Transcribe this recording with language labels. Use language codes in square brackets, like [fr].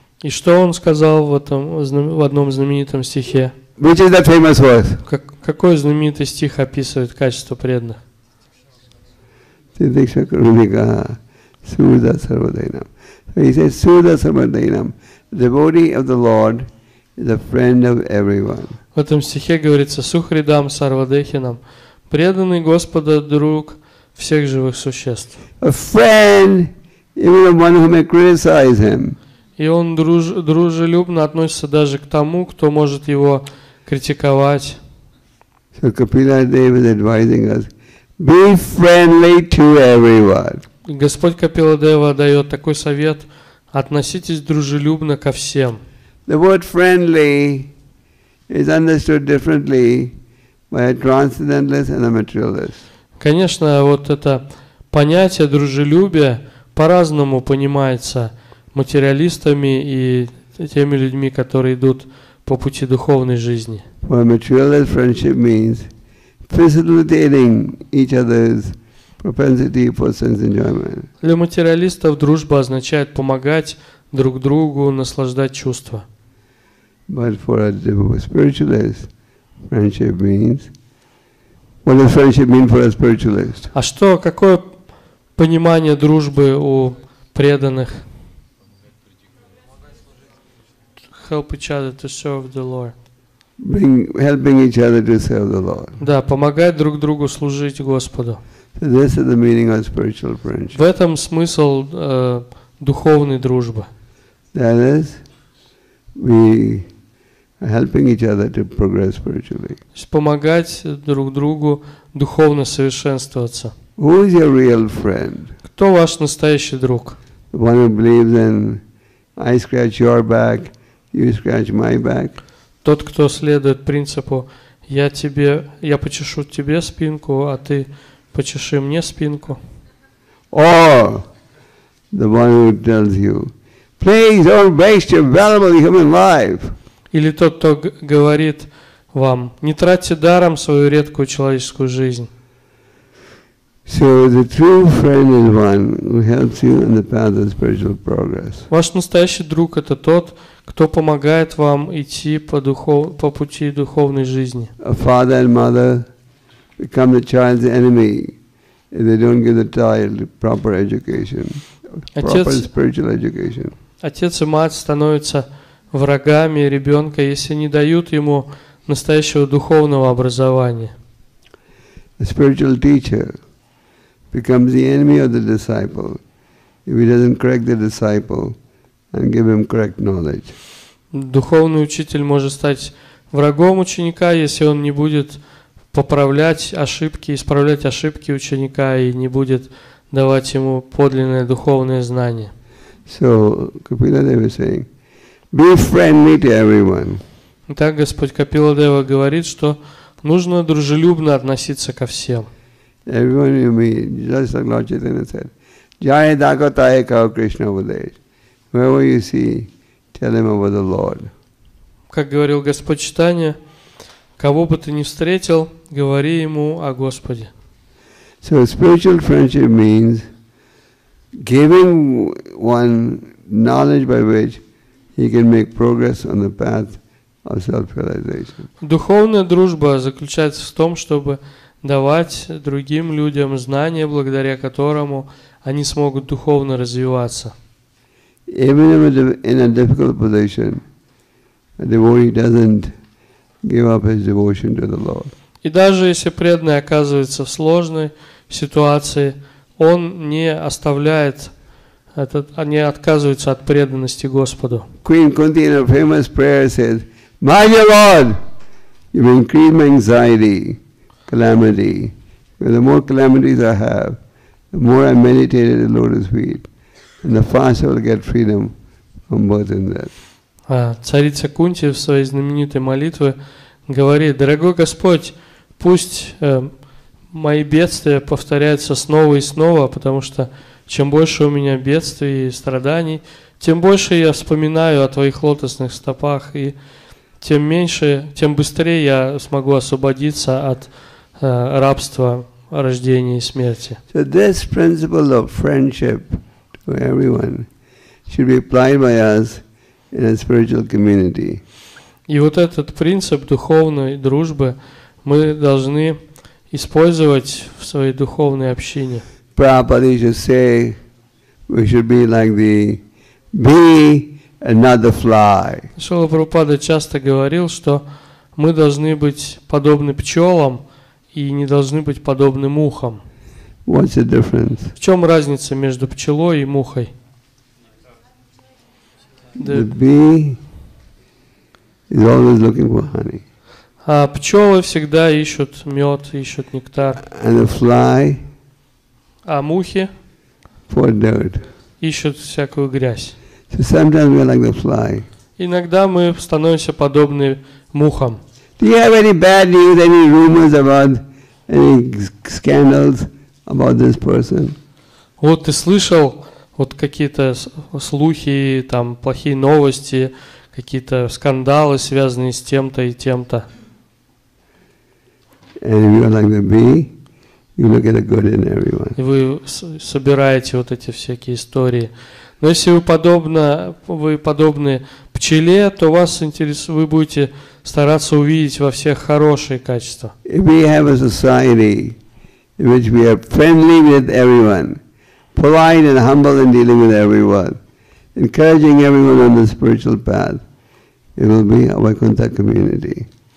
[ru] И что он сказал в одном знаменитом стихе? [en] Which is that famous verse? [ru] Какой знаменитый стих описывает качество преданных? [sa] Тидикша Крудика, Суда Сарвадайнам. [en] So he says, [sa] Суда Сарвадайнам, [en] devotee of the Lord is a friend of everyone. [ru] В этом стихе говорится, [sa] Сухридам Сарвадехинам, [ru] преданный Господа друг всех живых существ. [en] A friend, even of one who may criticize him. [ru] И он дружелюбно относится даже к тому, кто может его критиковать. [en] So Kapila Dev is advising us, be friendly to everyone. [ru] Господь Капила Дева дает такой совет, относитесь дружелюбно ко всем. [en] The word friendly is understood differently by a transcendentalist and a materialist. [ru] Конечно, вот это понятие дружелюбия по-разному понимается материалистами и теми людьми, которые идут по пути духовной жизни. [en] For a materialist, friendship means facilitating each other's propensity for sense enjoyment. [ru] Для материалистов дружба означает помогать друг другу наслаждать чувства. [en] But for a spiritualist, friendship means what does friendship mean for a spiritualist? [ru] А что, какое понимание дружбы у преданных? [en] Help each other to serve the Lord. Helping each other to serve the Lord. [ru] Да, помогать друг другу служить Господу. [en] So this is the meaning of spiritual friendship. [ru] В этом смысл духовной дружбы. [en] That is, we are helping each other to progress spiritually. [ru] Помогать друг другу духовно совершенствоваться. [en] Who is your real friend? [ru] Кто ваш настоящий друг? [en] The one who believes in I scratch your back, you scratch my back. [ru] Тот, кто следует принципу я почешу тебе спинку, а ты почеши мне спинку. [en] Or the one who tells you, please don't waste your valuable human life. [ru] Или тот, кто говорит вам, не тратьте даром свою редкую человеческую жизнь. [en] So the true friend is one who helps you in the path of spiritual progress. [ru] Ваш настоящий друг это тот, кто помогает вам идти по пути духовной жизни. [en] A father and mother become the child's enemy if they don't give the child proper education, proper spiritual education. [ru] Отец и мать становятся врагами ребенка, если не дают ему настоящего духовного образования. [en] A spiritual teacher becomes the enemy of the disciple if he doesn't correct the disciple and give him correct knowledge. [ru] Духовный учитель может стать врагом ученика, если он не будет поправлять ошибки, исправлять ошибки ученика и не будет давать ему подлинное духовное знание. [en] So, Kapila Dev is saying, be friendly to everyone. [ru] Итак, Господь Капила Дева говорит, что нужно дружелюбно относиться ко всем. [en] Everyone you meet, just like Lord Chaitanya said, [sa] Jaya Dagataya Kao Krishna Vadej. [en] Whoever you see, tell him about the Lord. [ru] Как говорил Господь Чайтанья, кого бы ты ни встретил, говори ему о Господе. [en] So spiritual friendship means giving one knowledge by which he can make progress on the path of self-realization. [ru] Духовная дружба заключается в том, чтобы давать другим людям знания, благодаря которому они смогут духовно развиваться. [en] Even in a difficult position, a devotee doesn't give up his devotion to the Lord. [ru] И даже если преданный оказывается в сложной ситуации, он не оставляет не отказывается от преданности Господу. [en] Queen Kunti in her famous prayer says, "My dear Lord, you increase my anxiety, calamity, The more calamities I have, the more I meditate at the lotus feet, and the faster I will get freedom from birth and death. [ru] Царица Кунти в своей знаменитой молитве говорит: «Дорогой Господь, пусть мои бедствия повторяются снова и снова, потому что чем больше у меня бедствий и страданий, тем больше я вспоминаю о твоих лотосных стопах, и тем меньше, тем быстрее я смогу освободиться от рабства рождения и смерти». [en] So this principle of friendship to everyone should be applied by us in a spiritual community. [ru] И вот этот принцип духовной дружбы мы должны использовать в своей духовной общине. [en] Prabhupada used to say, we should be like the bee and not the fly. [ru] Шрила Прабхупада часто говорил, что мы должны быть подобны пчелам и не должны быть подобны мухам. [en] What's the difference? [ru] В чем разница между пчелой и мухой? [en] The bee is always looking for honey. [ru] А пчелы всегда ищут мед, ищут нектар. [en] And the fly. [ru] А мухи [en] for dirt. [ru] Ищут всякую грязь. [en] So sometimes we are like the fly. [ru] Иногда мы становимся подобны мухам. [en] Do you have any bad news, any rumors about any scandals about this person? [ru] Вот ты слышал вот какие-то слухи, там плохие новости, какие-то скандалы, связанные с тем-то и тем-то. [en] And if you are like the bee, you look at the good in everyone. [ru] И вы собираете вот эти всякие истории. Но если вы подобны пчеле, то вас интерес, вы будете стараться увидеть во всех хорошие качества. [en] If we have a society in which we are friendly with everyone, polite and humble in dealing with everyone, encouraging everyone on the spiritual path, it will be our Vaikuntha community.